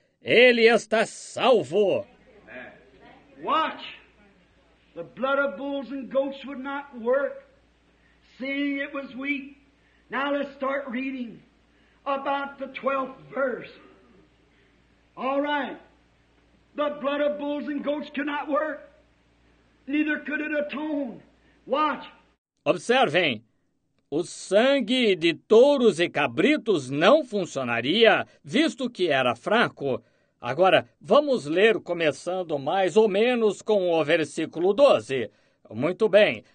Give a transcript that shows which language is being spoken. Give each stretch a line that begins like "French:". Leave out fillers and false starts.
Portuguese: Ele está salvo.
English: Watch. The blood of bulls and goats would not work, seeing it was weak. Now let's start reading about the 12th verse. All right. The blood of bulls and goats cannot work. Neither could it atone. Watch.
Portuguese: Observem. O sangue de touros e cabritos não funcionaria, visto que era fraco. Agora, vamos ler começando mais ou menos com o versículo 12. Muito bem.